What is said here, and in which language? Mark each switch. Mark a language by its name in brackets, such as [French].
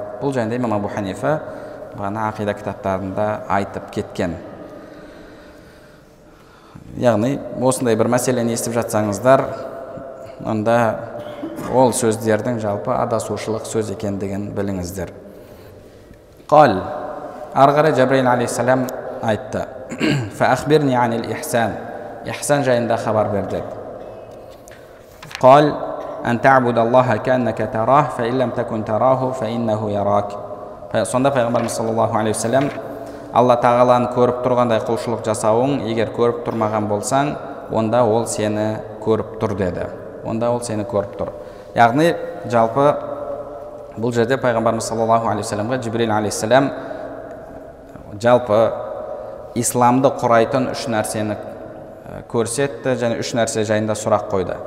[Kazakh] Бұл жайында Имам Абу Ханифа бағана ақида кітаптарында айтып кеткен. Яғни осындай бір мәселені естіп жатсаңыздар, онда ол сөздердің жалпы адасушылық сөз екендігін біліңіздер. [Arabic] قال ارغره جبريل عليه السلام [Kazakh] айтты [Arabic] فاخبرني عن الاحسان احسان [Kazakh] жайында хабар берді. [Arabic] قال ان تعبد الله كانك تراه فان لم تكن تراه فانه يراك. [Kazakh] Сонда пайғамбарымыз саллаллаһу алейһи ва саллям Алла тағаланы көріп тұрғандай құлшылық жасауың, егер көріп тұрмаған болсаң, онда ол сені көріп тұр деді. Онда ол сені көріп тұр. Яғни жалпы бұл жерде пайғамбарымыз саллаллаху алейхи уассаламға Джибрил алейхиссалам жалпы исламды құрайтын үш нәрсені көрсетті және үш нәрсе жайында сұрақ қойды.